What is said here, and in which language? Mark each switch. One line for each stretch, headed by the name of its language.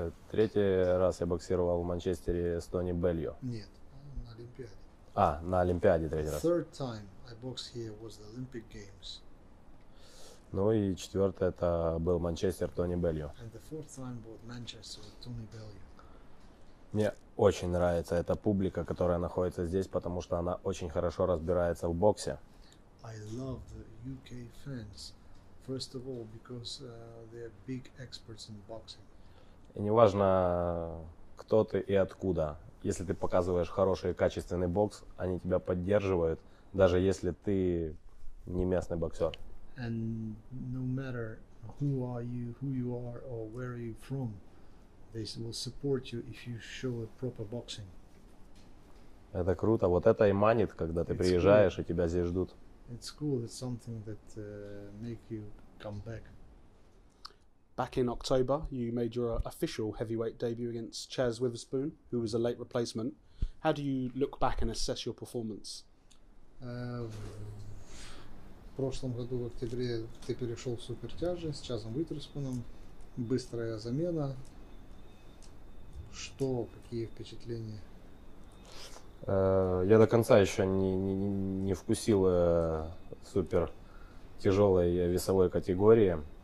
Russian: Третий раз я боксировал в Манчестере с Тони Беллио. Нет, на Олимпиаде. А, на Олимпиаде третий раз.
English: Third time I boxed here was the Olympic Games.
Russian: Ну и четвертый это был Манчестер Тони Беллио.
English: And the fourth time was Manchester Tony Beliu.
Russian: Мне очень нравится эта публика, которая находится здесь, потому что она очень хорошо разбирается в боксе.
English: I love the UK fans. First of all, because they are big experts in boxing.
Russian: И неважно, кто ты и откуда, если ты показываешь хороший и качественный бокс, они тебя поддерживают, даже если ты не местный боксер.
English: And no matter who you are, or where are you from, they will support you if you show a proper boxing.
Russian: Это круто. Вот это и манит, когда ты приезжаешь и тебя здесь ждут.
English: It's cool. It's something that make you come back. Back in October, you made your official heavyweight debut against Chaz Witherspoon, who was a late replacement. How do you look back and assess your performance?
Russian: В прошлом году в октябре ты перешел в супертяжи с Чазом Уитерспуном. Быстрая замена. Что, какие впечатления? Я до конца еще не вкусил супер тяжелой весовой категории.